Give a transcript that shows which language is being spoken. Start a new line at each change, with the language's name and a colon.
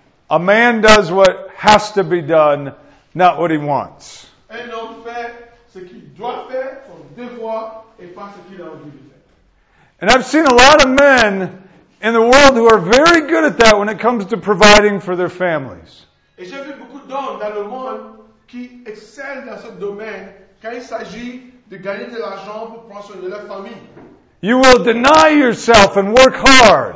English: A man does what has to be done, not what he wants.
French: Un homme fait ce qu'il doit faire, son devoir, et pas ce qu'il a envie de faire.
English: And I've seen a lot of men in the world who are very good at that when it comes to providing for their families.
French: Et j'ai vu beaucoup d'hommes dans le monde qui excellent dans ce domaine quand il s'agit de gagner de l'argent pour prendre soin de leur famille.
English: You will deny yourself and work hard.